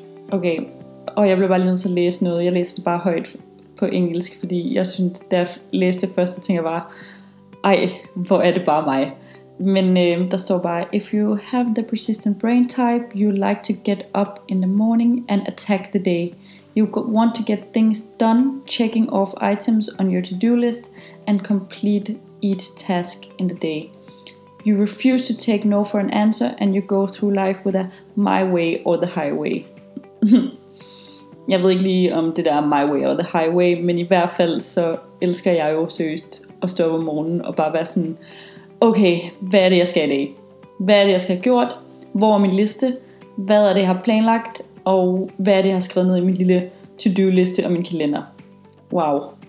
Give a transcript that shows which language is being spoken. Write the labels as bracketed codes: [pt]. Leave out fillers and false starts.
[da] Okay, og jeg blev bare lige nødt til at læse noget. Jeg læste det bare højt på engelsk, fordi jeg synes, da jeg læste det første, tænkte jeg bare, ej, hvor er det bare mig. Men der står bare, [en] if you have the persistent brain type, you like to get up in the morning and attack the day. You want to get things done, checking off items on your to-do list and complete each task in the day. You refuse to take no for an answer and you go through life with a my way or the highway. [da] Jeg ved ikke lige om det der er [en] my way or the highway, [da] men i hvert fald så elsker jeg jo seriøst at stå op om morgenen og bare være sådan, okay, hvad er det, jeg skal i dag? Hvad er det, jeg skal have gjort? Hvor er min liste? Hvad er det, jeg har planlagt? Og hvad er det, jeg har skrevet ned i min lille to-do-liste og min kalender? Wow.